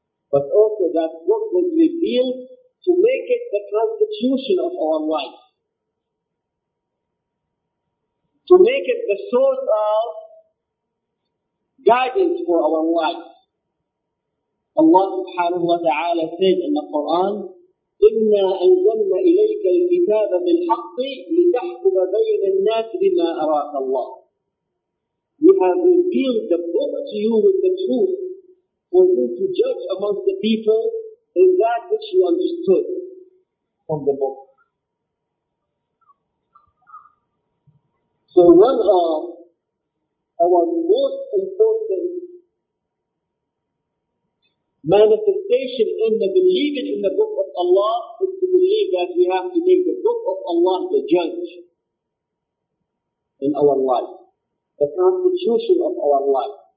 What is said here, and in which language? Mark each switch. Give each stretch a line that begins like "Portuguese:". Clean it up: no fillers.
English: But also that book was revealed to make it the constitution of our life. To make it the source of guidance for our life. Allah subhanahu wa ta'ala said in the Quran,
Arabic: إِنَّا أَنْزَلْنَا إِلَيْكَ الْكِتَابَ بِالْحَقِّ لِتَحْكُمَ بَيْنَ النَّاسِ بِمَا أَرَاكَ اللَّهِ.
English: We have revealed the book to you with the truth for you to judge amongst the people in that which you understood from the book. So one of our most important manifestations in the believing in the book of Allah is to believe that we have to make the book of Allah the judge in our life, the constitution of our life.